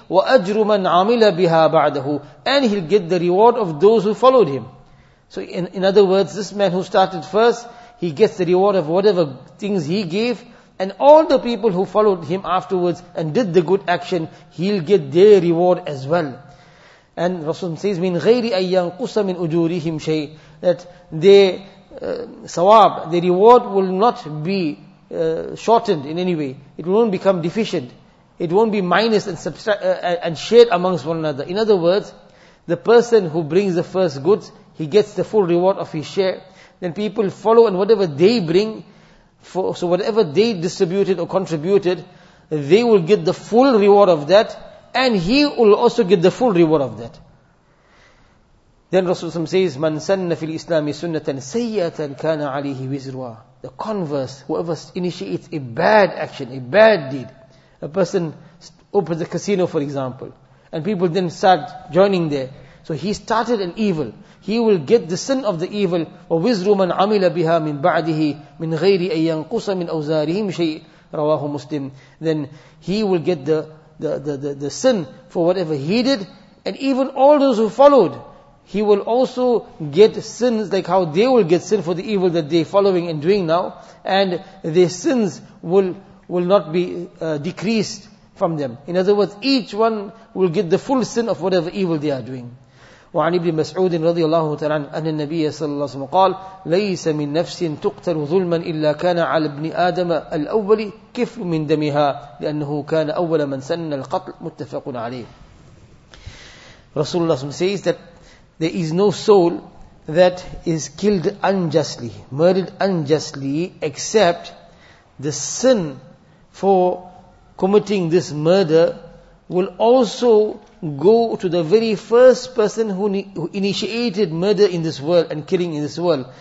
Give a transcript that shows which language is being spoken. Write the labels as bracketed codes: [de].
[ar] وَأَجْرُ مَنْ عَمِلَ بِهَا بَعْدَهُ. [en] And he'll get the reward of those who followed him. So in other words, this man who started first, he gets the reward of whatever things he gave. And all the people who followed him afterwards and did the good action, he'll get their reward as well. And Rasulullah says, [ar] مِنْ غَيْرِ أَن يَنْقُسَ مِنْ أُجُورِهِمْ شَيْءٍ. [en] That their sawab, their reward will not be shortened in any way. It won't become deficient. It won't be minus and shared amongst one another. In other words, the person who brings the first goods, he gets the full reward of his share. Then people follow, and whatever they bring, so whatever they distributed or contributed, they will get the full reward of that, and he will also get the full reward of that. Then Rasulullah says, [ar] مَنْ سَنَّ فِي الْإِسْلَامِ سُنَّةً سَيَّةً كَانَ عَلِيهِ وِزْرُهَا. [en] The converse, whoever initiates a bad action, a bad deed, a person opens a casino, for example, and people then start joining there. So he started an evil. He will get the sin of the evil. [ar] وَوِزْرُ مَنْ عَمِلَ بِهَا مِنْ بَعْدِهِ مِنْ غَيْرِ أَنْ يَنْقُصَ مِنْ أَوْزَارِهِمْ شَيْءٍ رَوَاهُ مُسْلِمٍ. [en] Then he will get the sin for whatever he did, and even all those who followed, he will also get sins, like how they will get sin for the evil that they're following and doing now, and their sins will not be decreased from them. In other words, each one will get the full sin of whatever evil they are doing. [ar] وعن ابن مسعود رضي الله تعالى عنه أن النبي صلى الله عليه وسلم قال ليس من نفس تقتل ظلما إلا كان على ابن آدم الأول كفل من دمها لأنه كان أول من سن القتل. متفق عليه. [en] رسول الله صلى الله عليه وسلم says that there is no soul that is killed unjustly, murdered unjustly, except the sin for committing this murder will also go to the very first person who initiated murder in this world and killing in this world.